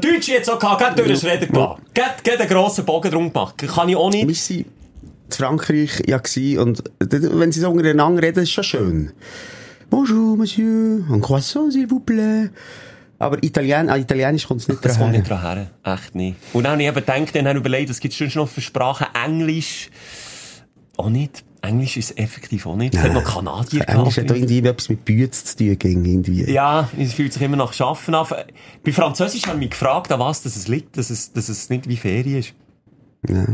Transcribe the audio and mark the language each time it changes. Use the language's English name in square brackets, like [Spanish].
[German] Deutsch jetzt auch gehabt, durch das Reden gehabt. Geht einen grossen Bogen drum gemacht. Kann ich auch nicht. Wir waren in Frankreich ja, und wenn sie so untereinander reden, ist schon schön. [French] Bonjour, monsieur, un croissant, s'il vous plaît. [German] Aber Italienisch kommt es nicht dran. Das kommt nicht dran her. Echt nicht. Und dann habe ich eben gedacht, dann habe ich überlegt, was gibt es schon noch für Sprachen? Englisch auch nicht. Englisch ist effektiv auch nicht. Es hat noch Kanadier gehabt. Englisch hat doch irgendwie etwas mit Büetze zu tun. Irgendwie. Ja, es fühlt sich immer nach Schaffen an. Bei Französisch haben mich gefragt, an was dass es liegt, dass es nicht wie Ferien ist. Ja.